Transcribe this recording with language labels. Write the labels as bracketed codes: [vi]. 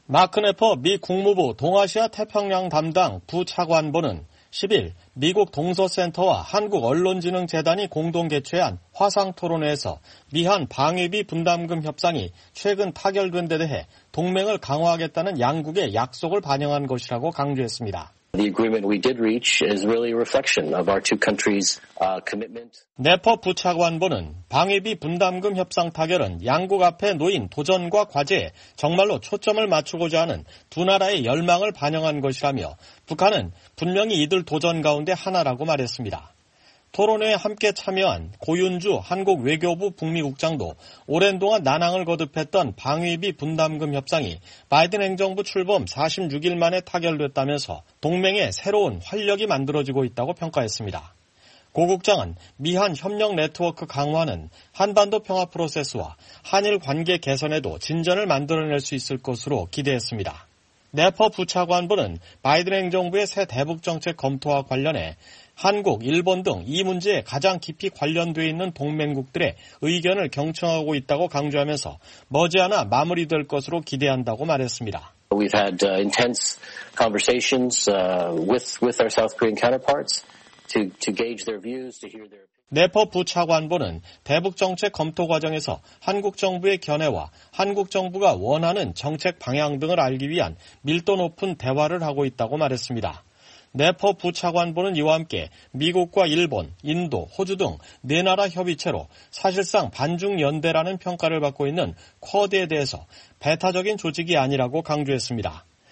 [ko] 마크네퍼 미 국무부 동아시아 태평양 담당 부차관보는 10일 미국 동서센터와 한국언론진흥재단이 공동 개최한 화상토론회에서 미한 방위비 분담금 협상이 최근 타결된 데 대해 동맹을 강화하겠다는 양국의 약속을 반영한 것이라고 강조했습니다. [en] The agreement we did reach is really a reflection of our two countries' commitment. [ko] 네퍼 부차관보는 방위비 분담금 협상 타결은 양국 앞에 놓인 도전과 과제에 정말로 초점을 맞추고자 하는 두 나라의 열망을 반영한 것이라며 북한은 분명히 이들 도전 가운데 하나라고 말했습니다. 토론회에 함께 참여한 고윤주 한국 외교부 북미국장도 오랜 동안 난항을 거듭했던 방위비 분담금 협상이 바이든 행정부 출범 46일 만에 타결됐다면서 동맹의 새로운 활력이 만들어지고 있다고 평가했습니다. 고 국장은 미한 협력 네트워크 강화는 한반도 평화 프로세스와 한일 관계 개선에도 진전을 만들어낼 수 있을 것으로 기대했습니다. 네퍼 부차관보는 바이든 행정부의 새 대북정책 검토와 관련해 한국, 일본 등 이 문제에 가장 깊이 관련되어 있는 동맹국들의 의견을 경청하고 있다고 강조하면서 머지않아 마무리될 것으로 기대한다고 말했습니다. [en] We've had intense conversations with our South Korean counterparts to gauge their views, to hear their [ko] 네퍼 부차관보는 대북정책 검토 과정에서 한국 정부의 견해와 한국 정부가 원하는 정책 방향 등을 알기 위한 밀도 높은 대화를 하고 있다고 말했습니다. 네퍼 부차관보는 이와 함께 미국과 일본, 인도, 호주 등 네 나라 협의체로 사실상 반중연대라는 평가를 받고 있는 쿼드에 대해서 배타적인 조직이 아니라고 강조했습니다.